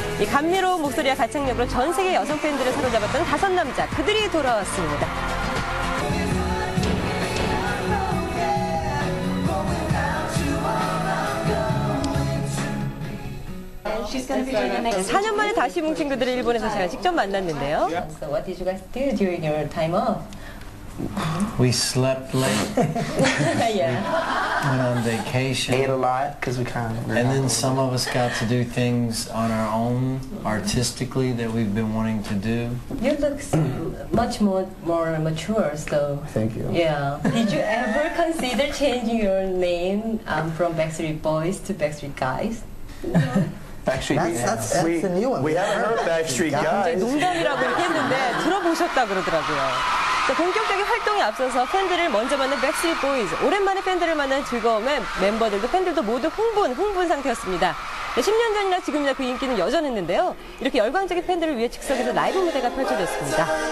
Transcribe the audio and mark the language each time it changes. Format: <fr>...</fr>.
<ko>이 감미로운 목소리와 가창력으로 전 세계 여성 팬들을 사로잡았던 다섯 남자, 그들이 돌아왔습니다. 4년 만에 다시 뭉친 그들을 일본에서 제가 직접 만났는데요.</ko> <en>So what did you guys do during your time off? We slept late. Yeah. We went on vacation. Ate a lot because we kind of. And then some of us got to do things on our own artistically that we've been wanting to do. You look much more mature, so. Thank you. Yeah. Did you ever consider changing your name from Backstreet Boys to Backstreet Guys? Backstreet Guys. That's a new one. We haven't heard Backstreet Guys.</en> <ko>농담이라고 했는데 들어보셨다 그러더라고요. 본격적인 활동에 앞서서 팬들을 먼저 만난 Backstreet Boys. 오랜만에 팬들을 만난 즐거움에 멤버들도 팬들도 모두 흥분 상태였습니다. 10년 전이나 지금이나 그 인기는 여전했는데요. 이렇게 열광적인 팬들을 위해 즉석에서 라이브 무대가 펼쳐졌습니다.</ko>